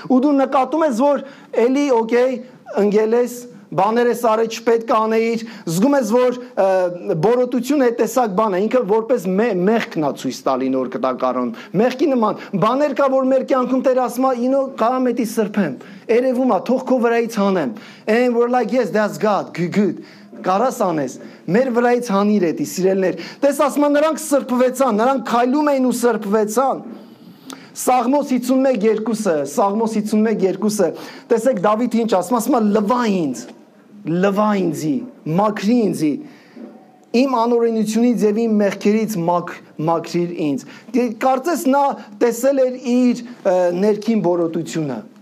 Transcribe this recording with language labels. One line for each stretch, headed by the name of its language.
Armenian: Ու դու նկատում ես, որ էլի okay, ընկել ես, բաներ ես արել, չպետք է անեիր, զգում ես, որ բորոտությունը է տեսակ բանը, ինքը որպես մեղքն է ցույց տալի նոր կտակարան, մեղքի նման, բաներ կա, որ մեր կյանքում Տեր ասում է, ինո կամ էտի սրբեմ, երևում է, թող քո վրայից հանեմ.
English: And we're like, yes, that's God, good.
Armenian: Կարաս անես, մեր վրայից հանիր էտի, սիրելներ. Տես ասում է, նրանք սրբվեցան, նրանք քայլում էին ու սրբվեցան. Սաղմոս 51:2-ը, Սաղմոս 51:2-ը, տեսեք Դավիթ ինչ ասում, ասում է, լվա ինձի, մաքրի ինձի, իմ անօրինությունից եւ իմ մեղքերից մաքրիր ինձ։ Կարծես նա տեսել էր իր ներքին բորոտությունը,